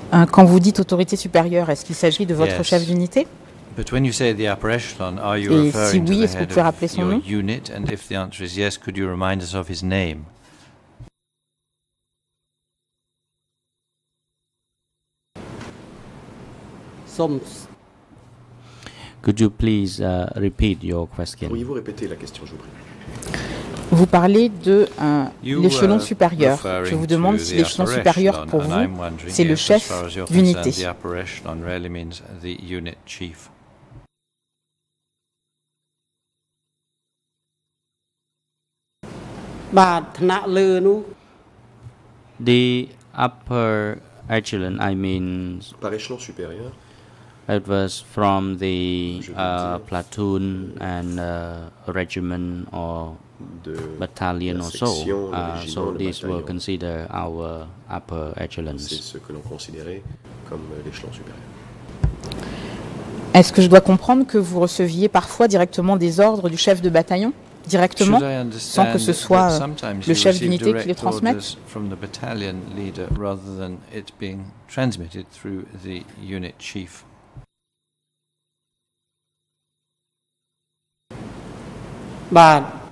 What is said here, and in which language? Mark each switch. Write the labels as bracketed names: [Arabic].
[French] Quand vous dites autorité supérieure, est-ce qu'il s'agit de votre chef d'unité? [English] But when you say the upper echelon, are you referring to the head of your unit? And if the answer is yes, could you remind us of his name? Soms. Could you please repeat your question? [French] Pourriez-vous répéter la question, je vous prie? Vous parlez de l'échelon supérieur. Je vous demande si l'échelon supérieur pour vous, c'est le chef d'unité. [English] The upper echelon really means the unit chief. The upper echelon, I mean, [French] par échelon supérieur. [English] It was from the platoon and regiment or battalion or so. So these were considered our upper echelons. [French] C'est ce que l'on considérait comme l'échelon supérieur. Est-ce que je dois comprendre que vous receviez parfois directement des ordres du chef de bataillon? Directement, sans que ce soit le chef d'unité qui les transmette. [English] From the battalion leader rather than it being transmitted through the unit chief. Bad.